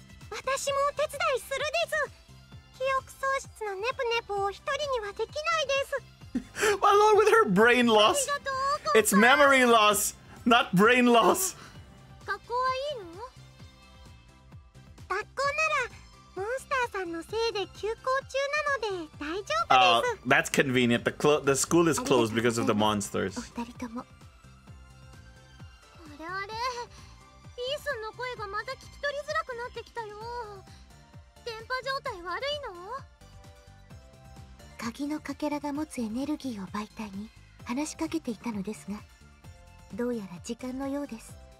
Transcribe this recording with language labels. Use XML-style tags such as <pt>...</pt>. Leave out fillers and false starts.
<ja>私もお手伝いするです。記憶喪失のネプネプを一人にはできないです。</ja> <en>Along with her brain loss. It's memory loss, not brain loss.</en> <ja>学校はいいの？学校ならモンスターさんのせいで休校中なので大丈夫です。</ja> <en>That's convenient. The school is closed because of the monsters.</en> <ja>お二人とも。あれあれ、イーソンの声がまた聞き取りづらくなってきたよ。電波状態悪いの？鍵のかけらが持つエネルギーを媒体に話しかけていたのですが、どうやら時間のようです。</ja>